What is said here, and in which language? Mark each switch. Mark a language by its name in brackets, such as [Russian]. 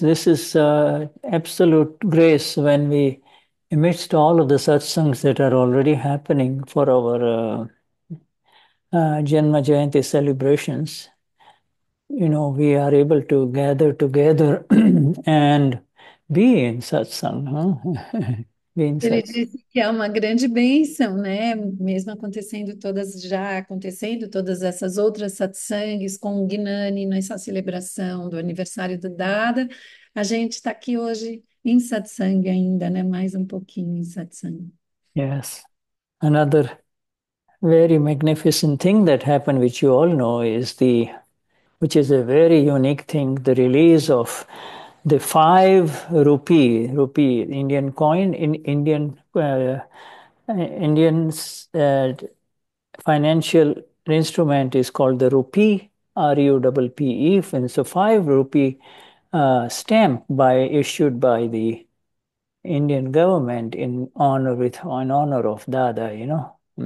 [English] This is absolute grace when we, amidst all of the satsangs that are already happening for our Janma Jayanti celebrations, you know, we are able to gather together and be in satsang, huh? Be in [Portuguese] Ele [English] satsang. [Portuguese] disse que é uma grande bênção, né? Mesmo acontecendo todas essas outras satsangues com o Gnani nessa celebração do aniversário do Dada, a gente está aqui hoje em satsang ainda, né? Mais um pouquinho em satsang. [English] Yes, another very magnificent thing that happened, which you all know, is the which is a very unique thing, the release of the 5 rupee Indian coin in Indian's financial instrument is called the rupee, RUPPE, and so 5 rupee stamp by issued by the Indian government in honor of Dada, you know.